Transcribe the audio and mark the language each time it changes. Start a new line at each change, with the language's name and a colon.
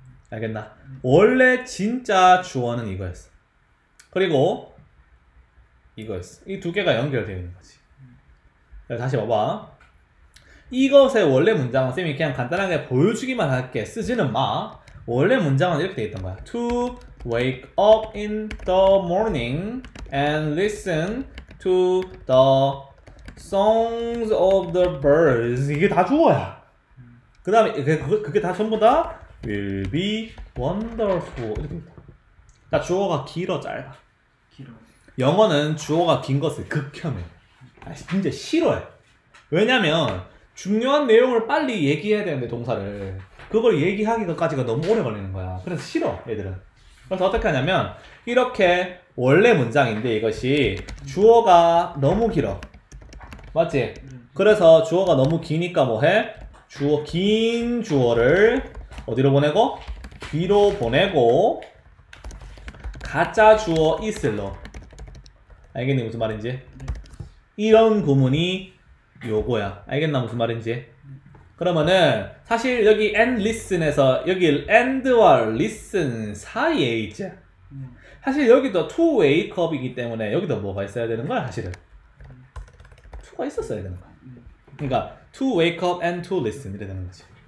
Korean: 알겠나? 원래 진짜 주어는 이거였어. 그리고 이거였어. 이 두 개가 연결되어 있는 거지. 다시 봐봐. 이것의 원래 문장은 쌤이 그냥 간단하게 보여주기만 할게. 쓰지는 마. 원래 문장은 이렇게 되어있던 거야.
English: To wake up in the morning and listen to the songs of the birds.
Korean: 이게 다 주어야. 그 다음에 그게 다 전부 다 will be wonderful 이렇게 됩니다. 그러니까 주어가 길어 짧아? 길어. 영어는 주어가 긴 것을 극혐해. 진짜 싫어해. 왜냐면 중요한 내용을 빨리 얘기해야 되는데 동사를 그걸 얘기하기까지가 너무 오래 걸리는 거야. 그래서 싫어 얘들은. 그래서 어떻게 하냐면 이렇게 원래 문장인데 이것이 주어가 너무 길어 맞지? 그래서 주어가 너무 기니까 뭐해? 주어 긴 주어를 어디로 보내고? 뒤로 보내고 가짜 주어 있을로 알겠니 무슨 말인지? 이런 구문이 요거야. 알겠나 무슨 말인지? 그러면은 사실 여기 and listen에서 여기 and와 listen 사이에 있지? 사실 여기도 two wake up이기 때문에 여기도 뭐가 있어야 되는 거야 사실은? two가 있었어야 되는 거야. 그러니까
English: two wake up and two listen
Korean: 이래야 되는 거지.